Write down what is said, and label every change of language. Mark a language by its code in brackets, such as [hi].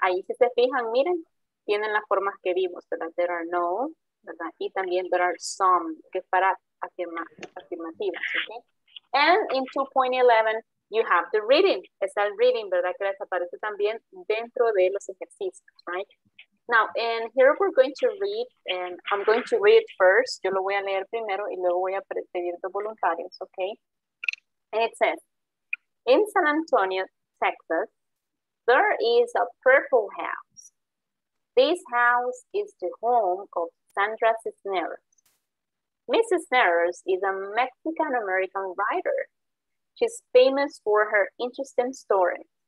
[es] Ahí si se fijan, miren, tienen las formas que vimos, ¿verdad? [en] There are no, [es] ¿verdad? Y también [en] there are some, [es] que es para afirmativas, ¿ok? [en] And in 2.11, you have the reading. [es] Es el reading, [en] ¿verdad? [es] Que les aparece también dentro de los ejercicios, right? [en] Now, and here we're going to read, and I'm going to read first. [es] Yo lo voy a leer primero y luego voy a pedir de voluntarios, okay? [en] And it says, in San Antonio, Texas, there is a purple house. This house is the home of Sandra Cisneros. Mrs. Cisneros is a Mexican-American writer. She's famous for her interesting stories.